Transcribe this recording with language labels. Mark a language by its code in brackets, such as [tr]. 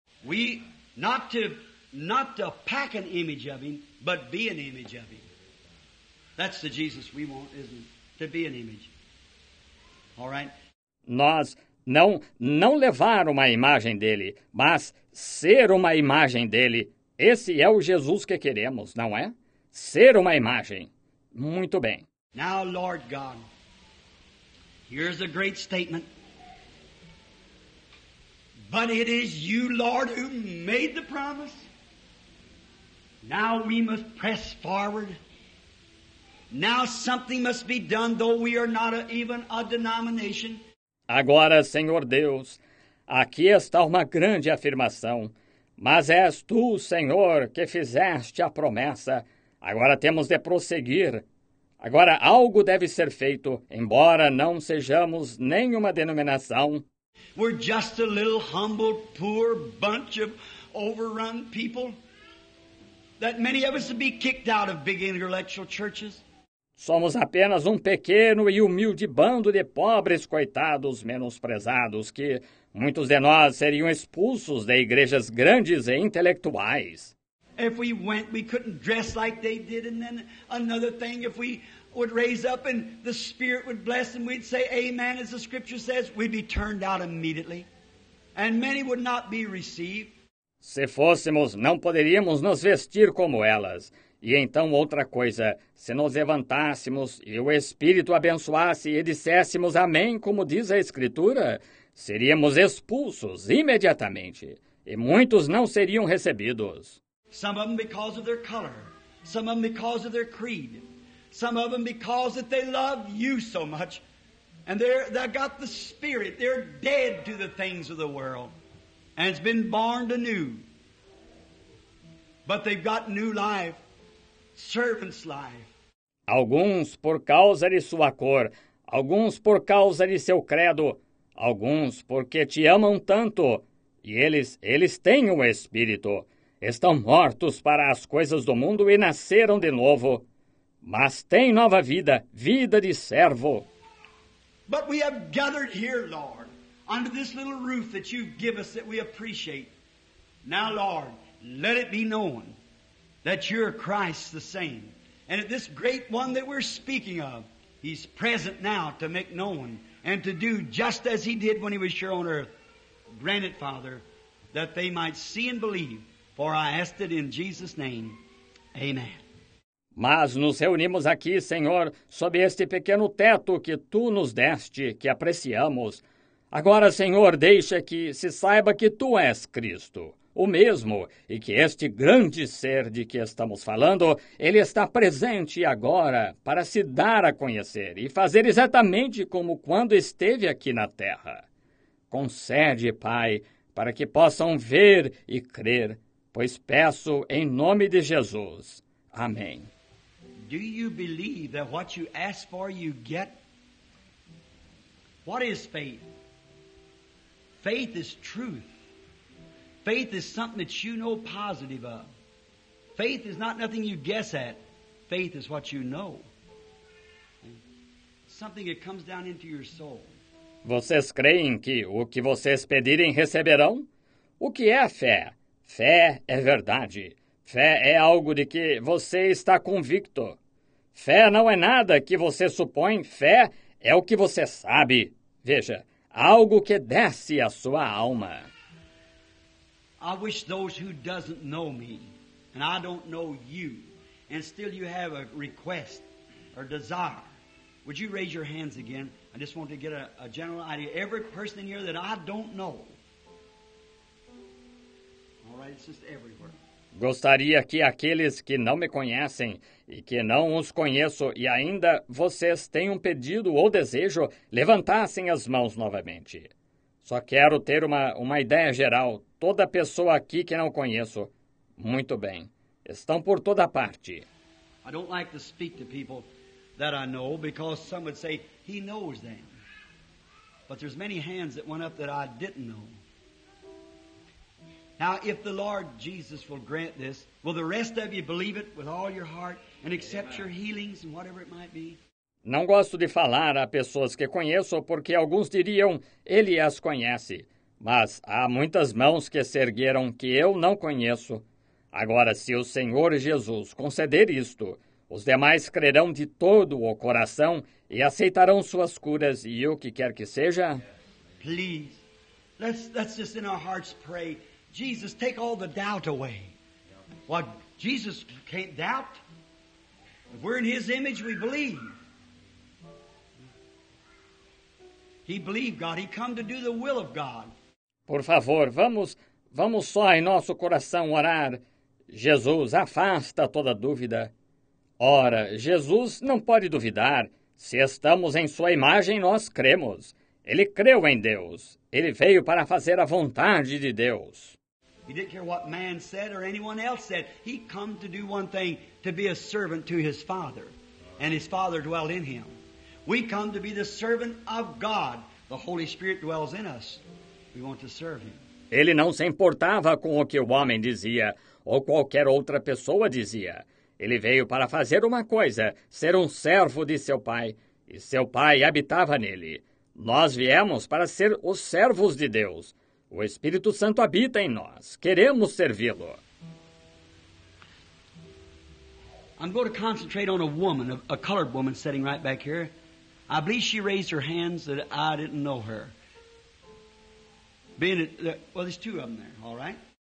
[en] We, not to pack an image of him, but be an image of him. That's the Jesus we want, isn't it? To be an image. All right? [pt] Nós não levar uma imagem dele, mas ser uma imagem dele. Esse é o Jesus que queremos, não é? Ser uma imagem. Muito bem. [en] Now, Lord God, here's a great statement. But it is you, Lord, who made the promise. Now we must press forward. Now something must be done, though we are not even a denomination. [pt] Agora, Senhor Deus, aqui está uma grande afirmação. Mas és tu, Senhor, que fizeste a promessa. Agora temos de prosseguir. Agora algo deve ser feito, embora não sejamos nenhuma denominação. [en] We're just a little humble, poor bunch of overrun people. That many of us would be kicked out of big intellectual churches. [pt] Somos apenas um pequeno e humilde bando de pobres coitados menosprezados que muitos de nós seriam expulsos de igrejas grandes e intelectuais. [en] If we went, we couldn't dress like they did, and then another thing, if we would raise up and the Spirit would bless and we'd say amen as the scripture says, we'd be turned out immediately and many would not be received. [pt] Se fôssemos, não poderíamos nos vestir como elas. E então outra coisa, se nos levantássemos e o Espírito abençoasse e disséssemos amém, como diz a Escritura, seríamos expulsos imediatamente, e muitos não seriam recebidos. [en] Some of them because of their color, some of them because of their creed, some of them because that they love you so much, and they got the Spirit, they're dead to the things of the world, and it's been born anew, but they've got new life. Servant's life. [pt] Alguns por causa de sua cor, alguns por causa de seu credo, alguns porque te amam tanto, e eles têm o Espírito, estão mortos para as coisas do mundo e nasceram de novo, mas têm nova vida, vida de servo. [en] But we have gathered here, Lord, under this little roof that you give us that we appreciate. Now, Lord, let it be known that you're Christ the same. And that this great one that we're speaking of, he's present now to make known and to do just as he did when he was here on earth. Grant it, Father, that they might see and believe. For I ask it in Jesus' name. Amen. [pt] Mas nos reunimos aqui, Senhor, sob este pequeno teto que tu nos deste, que apreciamos. Agora, Senhor, deixa que se saiba que tu és Cristo. O mesmo, e que este grande ser de que estamos falando, ele está presente agora para se dar a conhecer e fazer exatamente como quando esteve aqui na terra. Concede, Pai, para que possam ver e crer, pois peço em nome de Jesus. Amém. [en] Do you believe that what you ask for you get? What is faith? Faith is truth. Faith is something that you know positive of. Faith is not nothing you guess at. Faith is what you know. Something that comes down into your soul. [pt] Vocês creem que o que vocês pedirem receberão? O que é a fé? Fé é verdade. Fé é algo de que você está convicto. Fé não é nada que você supõe. Fé é o que você sabe. Veja, algo que desce à sua alma. [en] I wish those who doesn't know me, and I don't know you, and still you have a request or desire, would you raise your hands again? I just want to get a general idea. Every person in here that I don't know. All right, it's just everywhere. [pt] Gostaria que aqueles que não me conhecem e que não os conheço e ainda vocês têm um pedido ou desejo, levantassem as mãos novamente. Só quero ter uma ideia geral. Toda pessoa aqui que não conheço, muito bem. Estão por toda parte. [en] I don't like to speak to people that I know because some would say he knows them. But there's many hands that went up that I didn't know. Now, if the Lord Jesus will grant this, will the rest of you believe it with all your heart and accept your healings and whatever it might be? [pt] Não gosto de falar a pessoas que conheço porque alguns diriam, ele as conhece. Mas há muitas mãos que se ergueram que eu não conheço. Agora, se o Senhor Jesus conceder isto, os demais crerão de todo o coração e aceitarão suas curas e o que quer que seja. [en] Please, let's just in our hearts pray. Jesus, take all the doubt away. What, Jesus can't doubt? If we're in His image, we believe. He believed God. He come to do the will of God. [pt] Por favor, vamos só em nosso coração orar. Jesus, afasta toda dúvida. Ora, Jesus não pode duvidar. Se estamos em sua imagem, nós cremos. Ele creu em Deus. Ele veio para fazer a vontade de Deus. [en] He didn't care what man said or anyone else said. He come to do one thing, to be a servant to His Father. And His Father dwelt in Him. We come to be the servant of God. The Holy Spirit dwells in us. We want to serve Him. [pt] Ele não se importava com o que o homem dizia ou qualquer outra pessoa dizia. Ele veio para fazer uma coisa, ser um servo de seu Pai. E seu Pai habitava nele. Nós viemos para ser os servos de Deus. O Espírito Santo habita em nós. Queremos servi-lo. [en] I'm going to concentrate on a woman, a colored woman sitting right back here. I believe she raised her hands that I didn't know her. There's two of them there, all right?